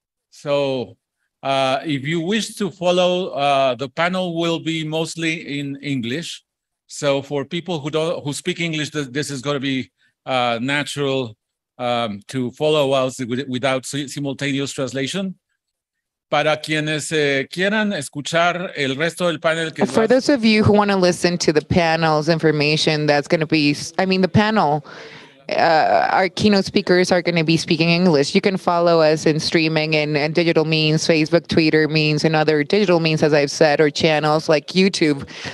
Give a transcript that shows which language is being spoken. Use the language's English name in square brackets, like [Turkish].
[English] So if you wish to follow, the panel will be mostly in English. So for people who speak English, this is going to be natural to follow us without simultaneous translation. [Spanish] Para quienes quieran escuchar el resto del panel. [English] For those of you who want to listen to the panel's information, that's going to be, the panel. Our keynote speakers are going to be speaking English. You can follow us in streaming and digital means, Facebook, Twitter means, and other digital means, as I've said, or channels like YouTube.